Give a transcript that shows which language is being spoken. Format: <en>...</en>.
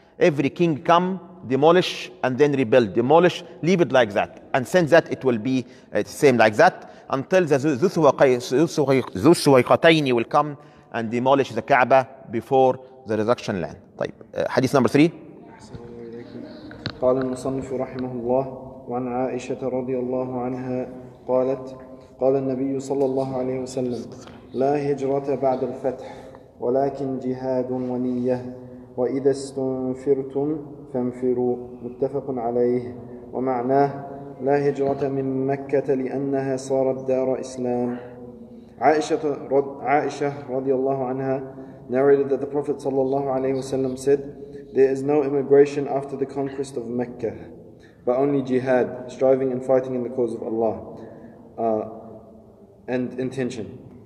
<en>Every king come, demolish, and then rebuild. Demolish, leave it like that. And since that, it will be the same like that until the Zuwaiqatayn will come and demolish the Kaaba before the resurrection land. طيب, hadith number 3.</en> <ar>قال المصنف رحمه الله وعن عائشة رضي الله عنها قالت قال النبي صلى الله عليه وسلم لا هجرة بعد الفتح ولكن جهاد ونية وإذا استنفرتم فانفروا. متفق عليه. ومعناه لا هجرة من مكة لأنها صارت دار إسلام.</ar> <en>Aisha radiallahu anha narrated that the Prophet sallallahu alayhi wasallam said, there is no immigration after the conquest of Mecca, but only jihad, striving and fighting in the cause of Allah and intention.</en>